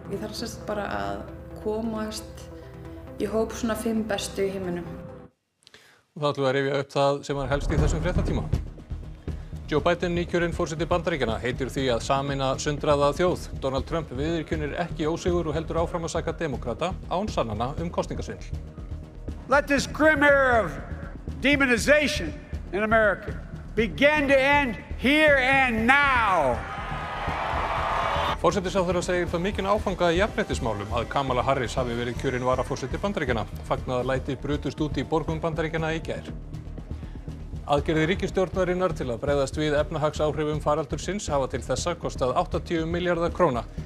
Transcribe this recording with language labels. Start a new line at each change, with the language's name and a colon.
Icelandic: Ég þarf sérst bara að komast í hóp svona 5 bestu í heiminum. Og þá ætlum við að rifja upp það sem er helst í þessum fréttatíma. Joe Biden, nýkjörinn forseti Bandaríkjanna, heitir því að sameina sundraða þjóð. Donald Trump viðurkennir ekki ósigur og heldur áfram að saka demókrata án sannana kosningasvindl.
English: Let this grim era of demonization in America begin to end here and now.
Icelandic: Forsetisráðherra segir það mikinn áfanga í jafnréttismálum að Kamala Harris hafi verið kjörin varaforseti Bandaríkjanna. Fagnaðarlæti brutust út í borgum Bandaríkjanna í gær. Aðgerðir ríkisstjórnarinnar til að bregðast við efnahagsáhrifum faraldursins hafa til þessa kostað 80 milljarða króna.